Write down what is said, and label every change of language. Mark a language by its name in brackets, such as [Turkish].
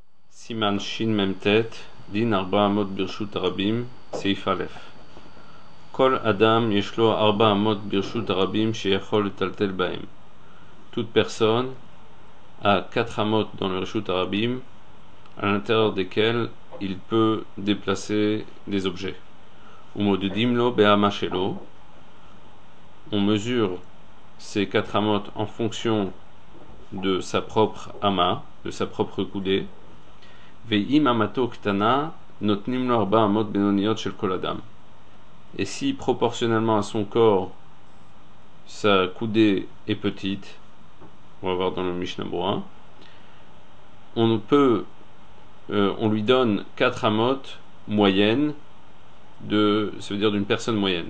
[Hebrew] סימן שמ"ט, דין 400 ברשות הרבים, סעיף א'. כל אדם יש לו 400 ברשות הרבים שיכול לטלטל בהם. [French] Toute personne a 400 dans le רשות הרבים, à l'intérieur desquels il peut déplacer des objets. [Hebrew] ומודדים לו בהמה שלו. [French] On mesure ces 400 en fonction de sa propre ama, de sa propre coudée. [Hebrew] ואם המתו קטנה, נותנים לו 400 בינוניות של כל אדם. [French] Et si proportionnellement à son corps, sa coudée est petite, on va voir dans le Mishnah Brura, on lui donne 4 amot moyennes, ça veut dire d'une personne moyenne.